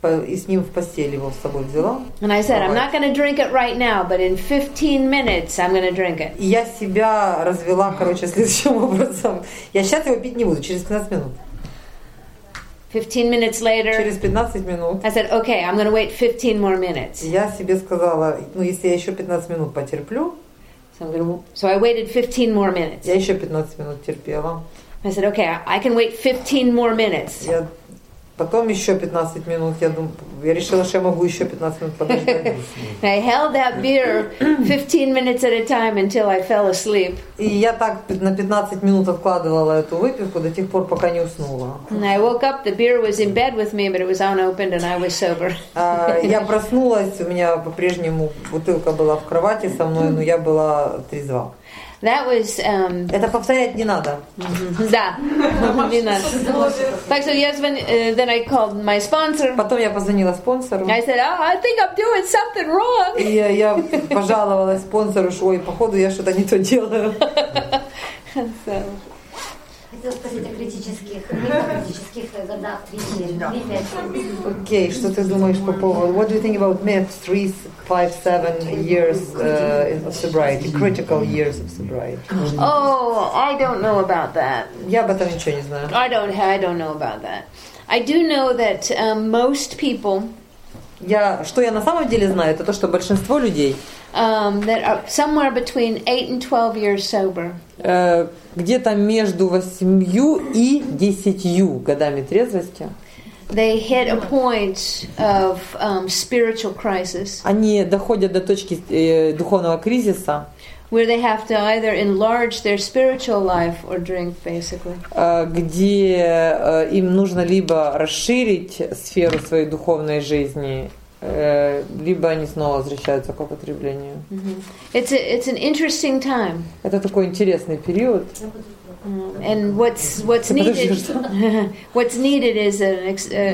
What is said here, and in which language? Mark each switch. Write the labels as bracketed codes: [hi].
[ru] И с ним в постель его с собой взяла. [en] And I said, I'm not going to drink it right now, but in 15 minutes I'm going to drink it. [ru] И я себя развела, короче, следующим образом. Я сейчас его пить не буду, через 15 минут. [en] 15 minutes later. [ru] Через 15 минут. [en] I said, okay, I'm going to wait 15 more minutes. [ru] Я себе сказала, ну если я еще 15 минут потерплю. [en] So I waited 15 more minutes. [ru] Я еще 15 минут терпела. [en] I said, okay, I can wait 15 more minutes. [ru] Потом еще 15 минут. Я решила, что я могу еще 15 минут подождать. [en] I held that beer 15 minutes at a time until I fell asleep. [ru] И я так на 15 минут откладывала эту выпивку до тех пор, пока не уснула. [en] And I woke up, the beer was in bed with me, but it was unopened and I was sober. [ru] Я проснулась, у меня по-прежнему бутылка была в кровати со мной, но я была трезва. [en] That was. [ru] Это повторять не надо. Да, не надо. Так что я звонила. [en] Then I called my sponsor. [ru] Потом я позвонила спонсору. [en] I said, oh, I think I'm doing something wrong. [ru] И я пожаловалась спонсору, что, ой, походу я что-то не то делаю. Okay, что ты думаешь по поводу? [en] What do you think about myth 3, 5, 7 years of sobriety, critical years of sobriety? Oh, I don't know about that. [ru] Я об этом ничего не знаю. [en] I don't know about that. I do know that most people. [ru] Что я на самом деле знаю, это то, что большинство людей. [en] That are somewhere between 8 and 12 years sober. [ru] Где-то между 8 и 10 годами трезвости. [en] They hit a point of spiritual crisis. [ru] Они доходят до точки духовного кризиса. [en] where they have to either enlarge their spiritual life or drink, basically. [ru] Где им нужно либо расширить сферу своей духовной жизни, либо они снова возвращаются к употреблению. [en] It's an interesting time. [ru] Это такой интересный период. [en] And what's needed is an.